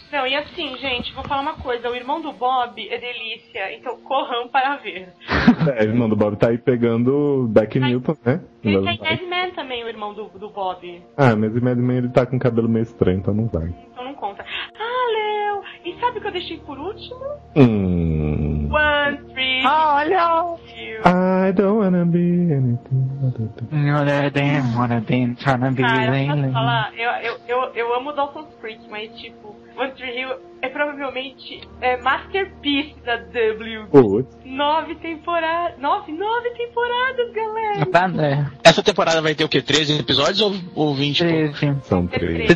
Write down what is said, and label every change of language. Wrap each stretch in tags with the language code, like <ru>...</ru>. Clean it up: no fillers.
<pt>Não, e assim, gente, vou falar uma coisa, o irmão do Bob é delícia, então corram para ver. É, o irmão do Bob tá aí pegando o Beck Newton, né? Ele tem Mad Men também, o irmão do Bob. Ah, mas o Mad Men ele tá com o cabelo meio estranho, então não vai. Então não conta. Ah, Léo, e sabe o que eu deixei por último?</pt> <en>One, three,</en> <pt>olha!</pt> <en>I don't wanna be anything other than what I've been trying to be lately.</en> <pt>Cara, falar, eu amo Dawson's Creek, mas tipo, One Tree Hill é provavelmente masterpiece da W. Putz. Nove temporadas, galera! Tá, né? Essa temporada vai ter o quê? 13 episódios ou 20? 13. Pô? São 13.</pt>